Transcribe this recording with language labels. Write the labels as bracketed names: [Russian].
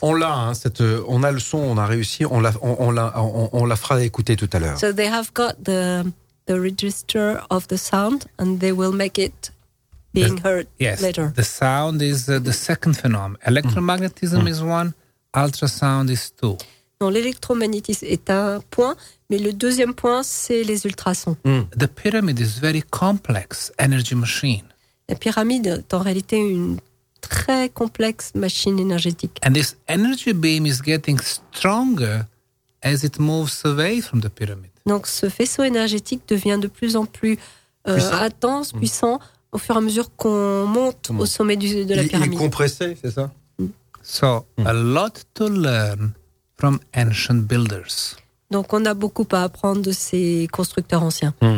[French] On l'a, hein, on a le son, on a réussi, on la fera écouter tout à l'heure. [English] So they have got the register of the sound and they will make it being heard later. The sound is the second phenomenon. Electromagnetism is one, ultrasound is two. [French] Non, l'électromagnétisme est un point, mais le deuxième point, c'est les ultrasons. [English] The pyramid is very complex energy machine. [French] La pyramide est en réalité une très complexe machine énergétique. [English] And this energy beam is getting stronger as it moves away from the pyramid. [French] Donc ce faisceau énergétique devient de plus en plus puissant au fur et à mesure qu'on monte au sommet de la pyramide. Il est compressé, c'est ça? [English] A lot to learn from ancient builders. [French] Donc on a beaucoup à apprendre de ces constructeurs anciens.